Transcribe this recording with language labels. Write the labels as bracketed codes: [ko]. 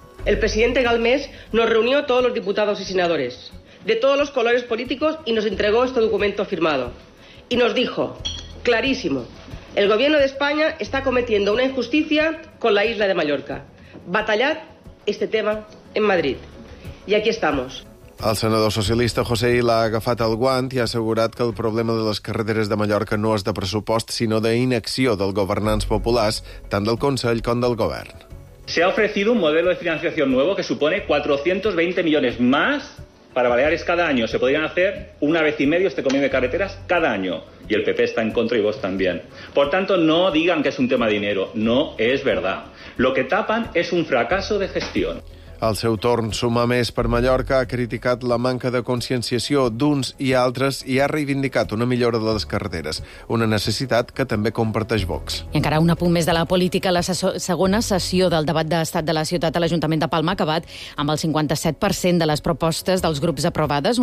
[es] El presidente Galmés nos reunió a todos los diputados y senadores de todos los colores políticos y nos entregó este documento firmado. Y nos dijo, clarísimo, el gobierno de España está cometiendo una injusticia con la isla de Mallorca. Batallad este tema en Madrid. Y aquí estamos. [ca] El senador socialista José Illa ha agafat el guant i ha assegurat que el problema de les carreteres de Mallorca no és de pressupost, sinó d'inacció dels governants populars, tant del Consell com del govern. [es] Se ha ofrecido un modelo de financiación nuevo que supone 420 millones más para Baleares cada año. Se podrían hacer una vez y medio este convenio de carreteras cada año. Y el PP está en contra y vos también. Por tanto, no digan que es un tema de dinero. No es verdad. Lo que tapan es un fracaso de gestión. [ca] Al seu torn, Sumar Més per Mallorca ha criticat la manca de conscienciació d'uns i altres i ha reivindicat una millora de les carreteres, una necessitat que també comparteix Vox. I encara un apunt més de la política, la segona sessió del debat d'estat de la ciutat a l'Ajuntament de Palma ha acabat amb el 57% de les propostes dels grups aprovades.